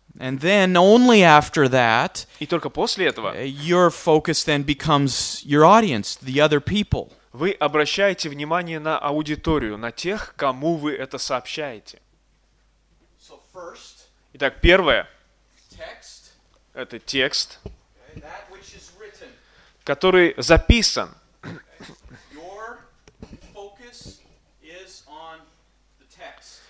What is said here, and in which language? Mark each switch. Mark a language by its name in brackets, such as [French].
[English] And then only after that, [Russian] и только после этого, [English] your focus then becomes your audience, the other people. [Russian] Вы обращаете внимание на аудиторию, на тех, кому вы это сообщаете. [English] So first, [Russian] итак, первое, [English] text, [Russian] это текст, [English] okay, that which is written, [Russian] который записан. [English] Your focus is on the text.